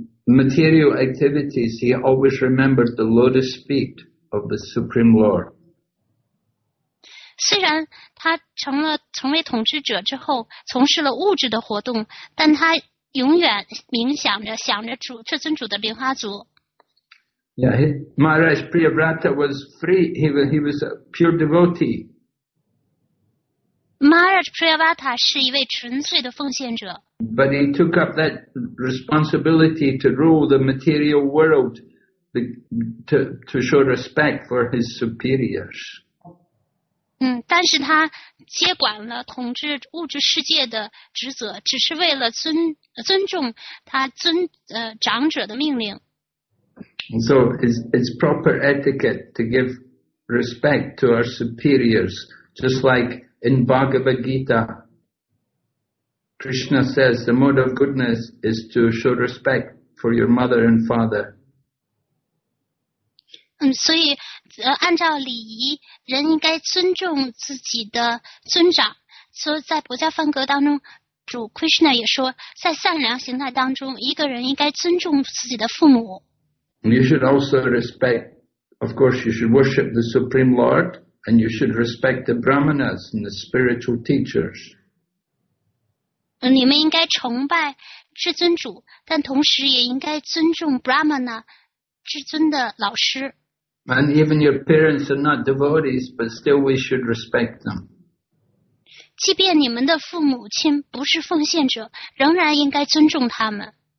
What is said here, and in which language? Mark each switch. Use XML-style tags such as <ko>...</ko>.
<en>material activities, he always remembered the lotus feet of the Supreme Lord.</en> <zh>虽然他成为统治者之后，从事了物质的活动，但他永远冥想着主至尊主的莲花足。</zh> <en>Yeah, Maharaj Priyavrata was free. He was a pure devotee.</en> <zh>Maharaj Priyavrata 是一位纯粹的奉献者。</zh> <en>But he took up that responsibility to rule the material world, to show respect for his superiors.</en> <zh>但是他接管了统治物质世界的职责，只是为了尊重他长者的命令。</zh> <en>So it's proper etiquette to give respect to our superiors, just like in Bhagavad Gita, Krishna says the mode of goodness is to show respect for your mother and father.</en> <zh>所以按照礼仪，人应该尊重自己的尊长。所以在佛教梵歌当中，主 Krishna 也说，在善良形态当中，一个人应该尊重自己的父母。</zh> <en>You should also respect, of course, you should worship the Supreme Lord, and you should respect the Brahmanas and the spiritual teachers.</en> <zh>你们应该崇拜至尊主，但同时也应该尊重 Brahmana 至尊的老师。</zh> <en>And even your parents are not devotees, but still we should respect them.</en> <zh>即便你们的父母亲不是奉献者，仍然应该尊重他们。</zh>